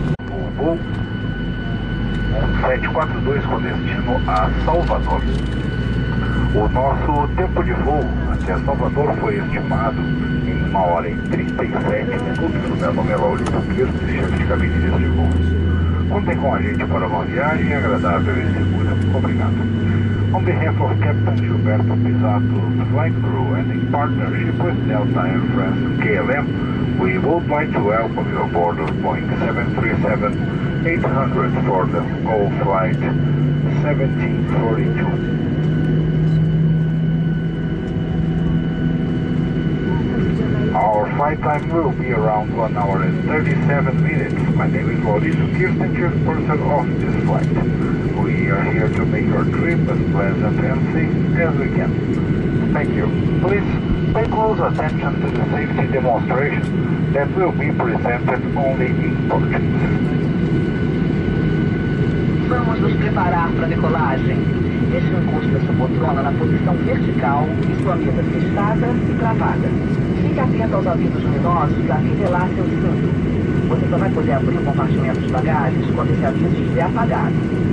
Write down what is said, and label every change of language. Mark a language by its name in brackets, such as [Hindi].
[Portuguese] O voo 742 com destino a Salvador. O nosso tempo de voo até Salvador foi estimado em 1h37. Meu nome é Laurito Cristo, chefe de cabine deste voo. Contem com a gente para uma viagem agradável e segura. Obrigado. [English] On behalf of Captain Gilberto Pisato, flight crew, and in partnership with Delta Air France and KLM, we would like to welcome you aboard of Boeing 737-800 for the call flight 1742. Our flight time will be around 1 hour and 37 minutes. My name is Laurito Kirsten, chairperson of this flight. We are here to make your trip as pleasant and safe as we can. Thank you. Please pay close attention to the safety demonstration that will be presented only in Portuguese. [Portuguese] Vamos nos preparar para decolagem. Deixe o encosto da sua poltrona na posição vertical e sua mesa fechada e travada. Fique atento aos avisos luminosos a revelar seu cinto. Você só vai poder abrir o compartimento de bagagens quando esse aviso estiver apagado.